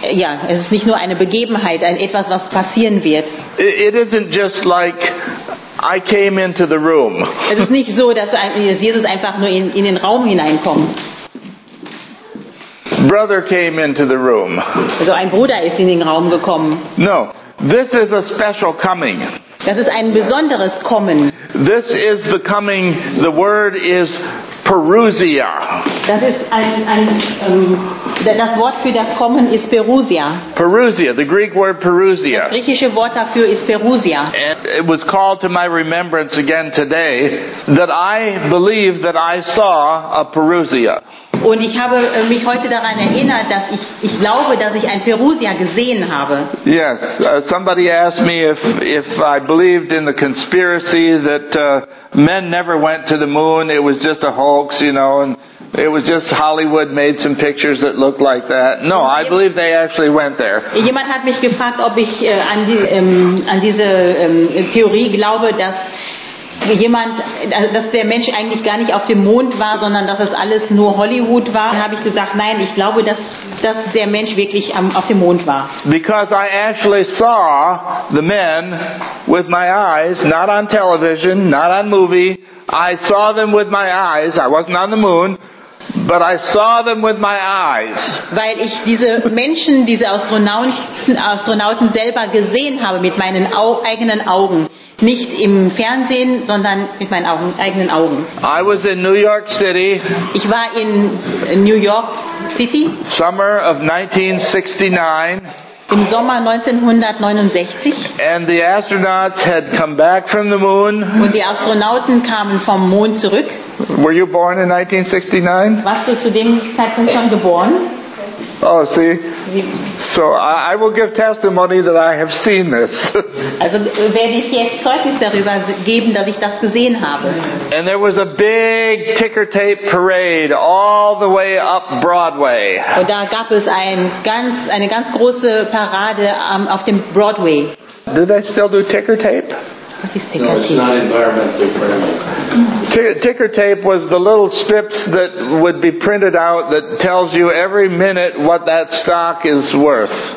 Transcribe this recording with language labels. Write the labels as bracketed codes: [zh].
[de] Ja, es ist nicht nur eine Begebenheit, etwas, was passieren wird. [en] It isn't just like I came into the room. [de] Es ist nicht so, dass Jesus einfach nur in den Raum hineinkommt. [en] Brother came into the room. [de] Also ein Bruder ist in den Raum gekommen. [en] No, this is a special coming. [de] Das ist ein besonderes Kommen. [en] This is the coming, the word is parousia. [de] Das ist das Wort für das Kommen ist parousia. [en] Parousia, the Greek word parousia. [de] Das griechische Wort dafür ist parousia. [en] And it was called to my remembrance again today that I believe that I saw a parousia. [de] Und ich habe mich heute daran erinnert, dass ich glaube, dass ich ein Parousia gesehen habe. [en] Yes, somebody asked me if I believed in the conspiracy that men never went to the moon. It was just a hoax, you know, and it was just Hollywood made some pictures that looked like that. No, I believe they actually went there. [de] Jemand hat mich gefragt, ob ich an diese Theorie glaube, dass dass der Mensch eigentlich gar nicht auf dem Mond war, sondern dass es alles nur Hollywood war. Dann habe ich gesagt, nein, ich glaube, dass der Mensch wirklich auf dem Mond war. [en] Because I actually saw the men with my eyes, not on television, not on movie. I saw them with my eyes. I wasn't on the moon. But I saw them with my eyes. [de] Weil ich diese Menschen, diese Astronauten selber gesehen habe mit meinen eigenen Augen. Nicht im Fernsehen, sondern mit meinen eigenen Augen. [en] I was in New York City. [de] Ich war in New York City. [en] Summer of 1969. [de] Im Sommer 1969. [en] And the astronauts had come back from the moon. [de] Und die Astronauten kamen vom Mond zurück. [en] Were you born in 1969? [de] Warst du zu dem Zeitpunkt schon geboren? [en] Oh, see. So I will give testimony that I have seen this. [de] Also werde ich jetzt Zeugnis darüber geben, dass ich das gesehen habe. [en] And there was a big ticker tape parade all the way up Broadway. [de] Und da gab es eine ganz große Parade auf dem Broadway. [en] Do they still do ticker tape? Ticker tape was the little strips that would be printed out that tells you every minute what that stock is worth.